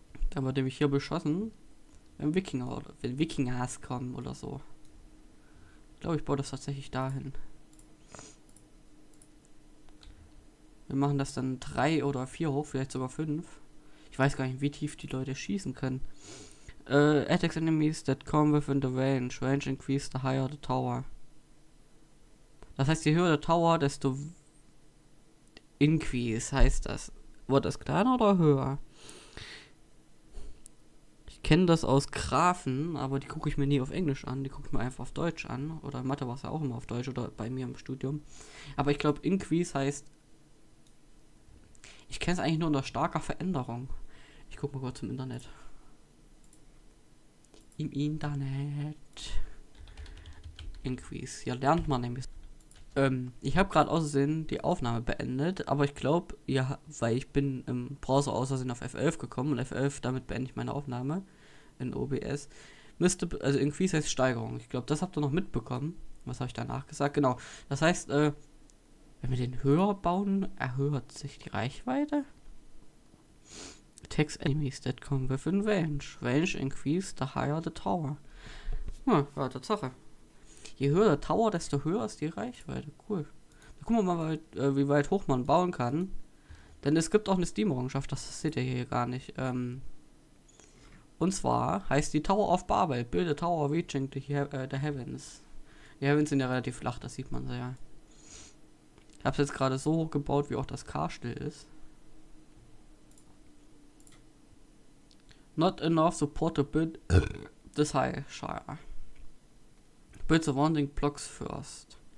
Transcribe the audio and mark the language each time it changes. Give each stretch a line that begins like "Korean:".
German: Da wird nämlich hier beschossen. Wenn Wikinger oder wenn Wikingers kommen oder so. Ich glaube, ich baue das tatsächlich dahin. Wir machen das dann 3 oder 4 hoch, vielleicht sogar 5. Ich weiß gar nicht, wie tief die Leute schießen können.
English: Attacks enemies that come within the range. Range increase the higher the tower.
German: Das heißt, je höher der Tower, desto increase heißt das. Wird das kleiner oder höher? Ich kenne das aus Graphen, aber die gucke ich mir nie auf Englisch an. Die gucke ich mir einfach auf Deutsch an. Oder in Mathe war es ja auch immer auf Deutsch oder bei mir im Studium. Aber ich glaube, Increase heißt... Ich kenne es eigentlich nur unter starker Veränderung. Ich gucke mal kurz im Internet. Im Internet. Increase. Ja, lernt man nämlich. Ich habe gerade außersehen die Aufnahme beendet, aber ich glaube, ja, weil ich bin im Browser außersehen auf F11 gekommen und F11, damit beende ich meine Aufnahme in OBS. Müsste, also Increase heißt Steigerung. Ich glaube, das habt ihr noch mitbekommen. Was habe ich danach gesagt? Genau. Das heißt, wenn wir den höher bauen, erhöht sich die Reichweite.
English: Attacks enemies that come within range. Range increase the higher the tower.
German: Ja, Tatsache. Je höher der Tower, desto höher ist die Reichweite. Cool. Da gucken wir mal, wie weit hoch man bauen kann. Denn es gibt auch eine Steam-Errungenschaft, das seht ihr hier gar nicht. Und zwar heißt die Tower of Babel.
English: Build a tower reaching the heavens.
German: Die Heavens sind ja relativ flach, das sieht man sehr. Ich habe es jetzt gerade so hoch gebaut, wie auch das Castle ist.
English: Not enough support to build this high, Shire. Build the wanting blocks first.